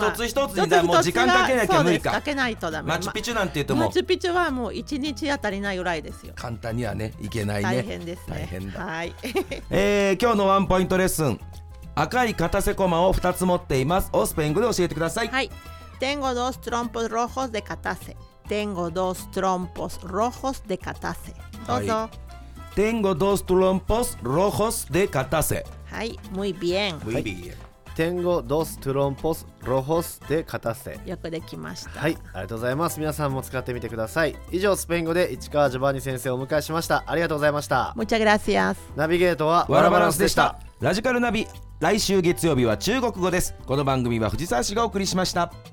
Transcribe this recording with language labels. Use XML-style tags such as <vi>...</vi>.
<ja>まあ、一つ一つにもう時間かけなきゃ無理か。かけないとダメ。マチュピチュなんて言っても、マチュピチュはもう一日当たりないぐらいですよ。簡単にはね、いけないね。大変ですね。大変だ。はい。今日のワンポイントレッスン、赤い片瀬コマを2つ持っています。オスペイン語で教えてください。</ja> <es>はい、 Tengo dos trompos rojos de Catarse。 Tengo dos trompos rojos de Catarse.</es> <ja>Dozo.</ja> <es>Tengo dos trompos rojos de Catarse. Hai, muy bien. Muy bien. Tengo dos trompos rojos de Catarse.</es> <ja>よくできました。はい、ありがとうございます。皆さんも使ってみてください。以上、スペイン語で市川ジョバンニ先生をお迎えしました。ありがとうございました。</ja> <es>Muchas gracias.</es> <ja>ナビゲートはワラバランスでした。ラジカルナビ、来週月曜日は中国語です。この番組は藤沢市がお送りしました。</ja>